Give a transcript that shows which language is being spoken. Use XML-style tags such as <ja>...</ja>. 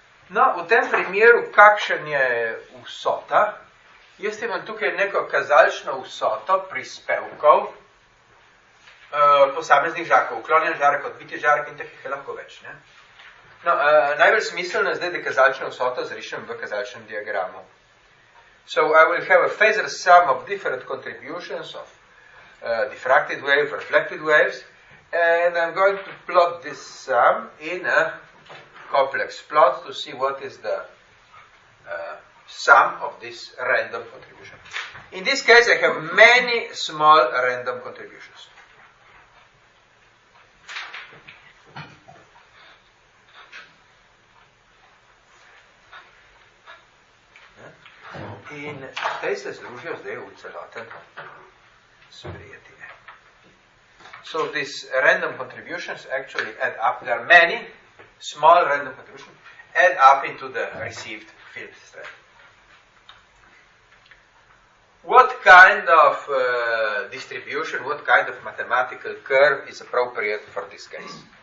<sl>No, v tem primeru, kakšen je vsota, jaz imam tukaj neko kazalčno vsoto prispevkov posameznih žarkov, uklonjen žarek, odbiti žarek in teh je lahko več. Ne? No, najbolj smiselno je zdaj, da kazalčno vsoto zrišem v kazalčnem diagramu.</sl> <en>So I will have a phasor sum of different contributions of diffracted wave, reflected waves, and I'm going to plot this sum in a complex plot to see what is the sum of this random contribution. In this case, I have many small random contributions.</en> <sl>In te se združijo zdaj v celoten sprijetje.</sl> <en>So these random contributions actually add up. There are many small random contribution, add up into the received field strength. What kind of distribution, what kind of mathematical curve is appropriate for this case?</en>